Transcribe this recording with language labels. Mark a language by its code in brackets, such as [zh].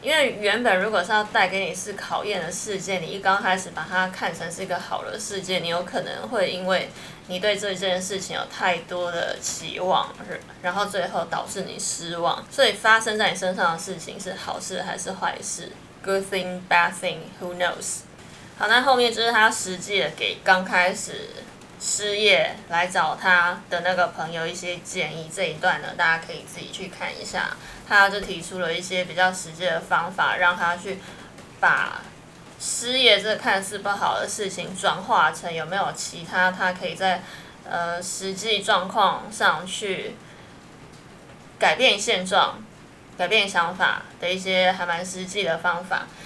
[zh] 因为原本如果是要带给你是考验的事件，你一刚开始把它看成是一个好的事件，你有可能会因为你对这件事情有太多的期望，然后最后导致你失望。所以发生在你身上的事情是好事还是坏事？ [en] Good thing, bad thing, who knows? [zh] 好，那后面就是他实际的给刚开始失业来找他的那个朋友一些建议，这一段呢大家可以自己去看一下，他就提出了一些比较实际的方法，让他去把失业这看似不好的事情转化成有没有其他他可以在实际状况上去改变现状、改变想法的一些还蛮实际的方法。